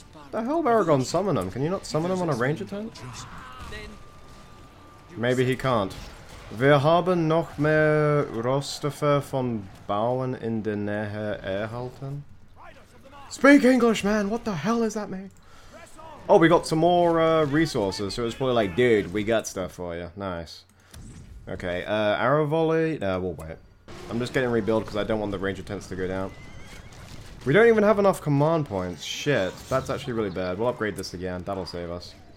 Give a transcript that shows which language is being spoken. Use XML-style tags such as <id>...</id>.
<en>The hell, Aragorn, summon him? Can you not summon him on a range attack? Maybe he can't.</en> <de>Wir haben noch mehr Rostofer von Bauen in der Nähe erhalten.</de> <en>Speak English, man! What the hell is that, mate? Oh, we got some more resources, so it was probably like, dude, we got stuff for you. Nice. Okay, arrow volley? Nah, we'll wait. I'm just getting rebuilt because I don't want the ranger tents to go down. We don't even have enough command points. Shit, that's actually really bad. We'll upgrade this again. That'll save us.</en>